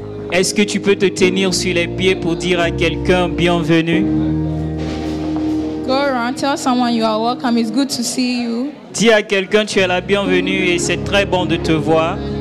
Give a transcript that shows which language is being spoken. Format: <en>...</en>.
<fr>Est-ce que tu peux te tenir sur les pieds pour dire à quelqu'un bienvenue?</fr> <en>Go around, tell someone you are welcome. It's good to see you.</en> <fr>Dis à quelqu'un tu es la bienvenue et c'est très bon de te voir.</fr>